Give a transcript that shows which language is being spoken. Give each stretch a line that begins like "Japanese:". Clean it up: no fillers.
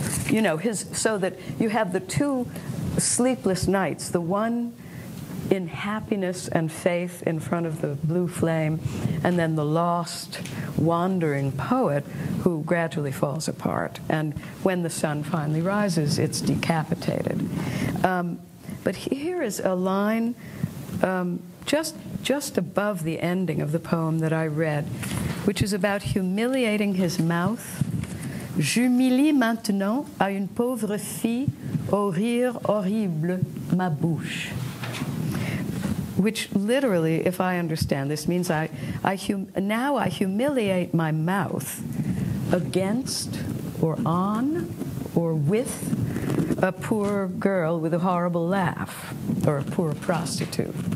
English: You know, his, so that you have the two sleepless nights, the one in happiness and faith in front of the blue flame, and then the lost, wandering poet who gradually falls apart. And when the sun finally rises, it's decapitated. But here is a line just above the ending of the poem that I read, which is about humiliating his mouth.
French: J'humilie maintenant à une pauvre fille au rire horrible, ma bouche.
English: Which literally, if I understand this, means I humiliate my mouth against or on or with a poor girl with a horrible laugh, or a poor prostitute.